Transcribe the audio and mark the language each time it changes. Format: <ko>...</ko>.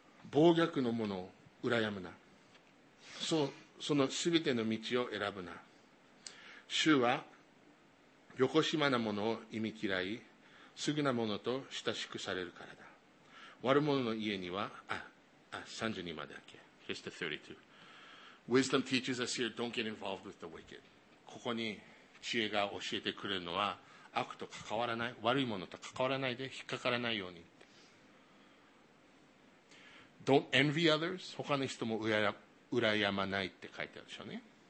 <ja>暴虐のものを羨むな、その全ての道を選ぶな。主は横島なものを忌み嫌い、すぐなものと親しくされるからだ。悪者の家には、32までだけ。</ja> <en>Just the 32. Wisdom teaches us here, don't get involved with the wicked.</en> <ja>ここに知恵が教えてくれるのは、悪と関わらない、悪いものと関わらないで、引っかからないように。</ja> <en>Don't envy others.</en> <ja>他の人も羨まないって書いてあるでしょうね。</ja>